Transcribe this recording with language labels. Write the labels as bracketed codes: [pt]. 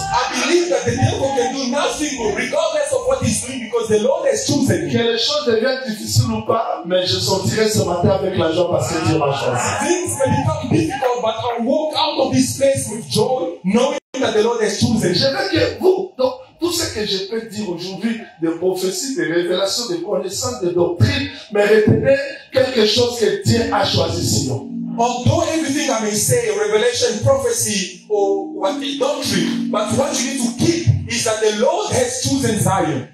[en] I believe that the devil can do nothing regardless of what he's doing because the Lord has chosen him. [fr] Que les choses deviennent difficiles ou pas, mais je sortirai ce matin avec la joie parce que Dieu m'a choisi. [en] May become difficult, but I walk out of this place with joy, knowing that the Lord has chosen. [fr] Je veux que vous, donc, tout ce que je peux dire aujourd'hui, de prophéties, de révélations, de connaissances, de doctrines, mais retenez quelque chose que Dieu a choisi sinon. [en] Although everything I may say, revelation, prophecy, or what the doctrine, but what you need to keep is that the Lord has chosen Zion.